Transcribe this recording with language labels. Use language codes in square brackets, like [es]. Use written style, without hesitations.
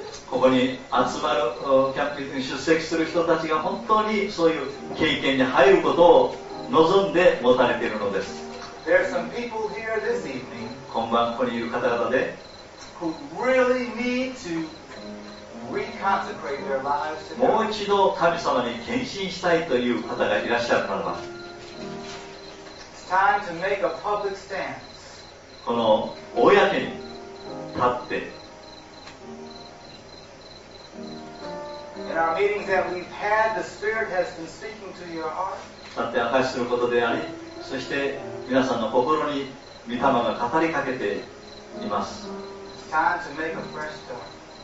[ja] ここに集まるキャンプミーティングに出席する人たちが本当にそういう経験に入ることを望んで持たれているのです。 [en] There are some people here this evening [ja] 今晩ここにいる方々で [en] who really need to reconsecrate their lives to [ja] もう一度神様に献身したいという方がいらっしゃるならば、 [en] It's time to make a public stance. [ja] この公に立って、 [en] In our meetings that we've had, the Spirit has been speaking to your heart. [ja] 立って明かしすることであり、そして皆さんの心に御霊が語りかけています。 [en] It's time to make a fresh start.